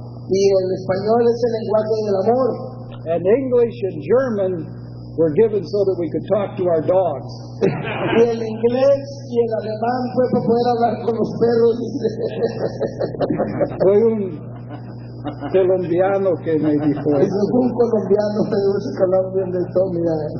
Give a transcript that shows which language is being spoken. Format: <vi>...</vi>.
<es>Y el español es el lenguaje del amor.</es> <en>And English and German were given so that we could talk to our dogs.</en> <es>Y el inglés y el alemán fue para poder hablar con los perros. Fue un colombiano que me dijo. Es un colombiano que dice Colombia del Tomía.</es>